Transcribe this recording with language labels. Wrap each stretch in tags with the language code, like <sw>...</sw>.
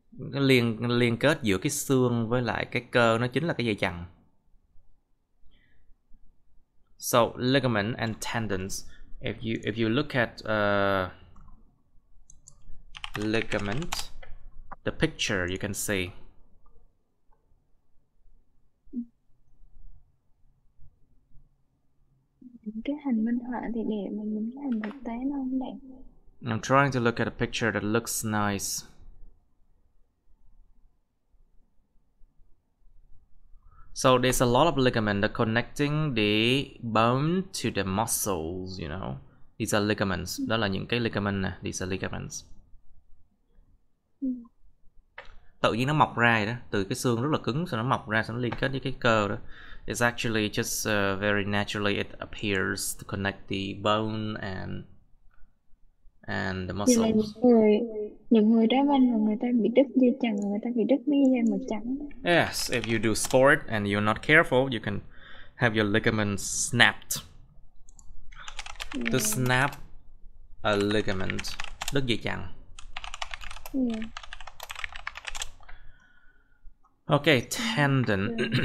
<vi>Liên kết giữa cái xương với lại cái cơ, nó chính là cái dây chằng.</vi> <en>So ligament and tendons. If you look at ligament, the picture you can see.</en> <vi>Cái hình minh họa thì để mình nhìn cái hình thực tế nó không đẹp.</vi> <en>I'm trying to look at a picture that looks nice. So there's a lot of ligament that connecting the bone to the muscles, you know. These are ligaments.</en> <vi>Đó là những cái ligament nè.</vi> <en>These are ligaments.</en> <vi>Tự nhiên nó mọc ra đó. Từ cái xương rất là cứng, sau nó mọc ra, sau nó liên kết với cái cơ đó.</vi> <en>It's actually just very naturally it appears to connect the bone and the muscles.</en> <vi>Thì là những người đá banh mà người ta bị đứt dây chằng, người ta bị đứt mấy dây mà trắng.</vi> <en>Yes, if you do sport and you're not careful, you can have your ligament snapped. To snap a ligament,</en> <vi>đứt dây chằng.</vi> <en>Okay, tendon.</en>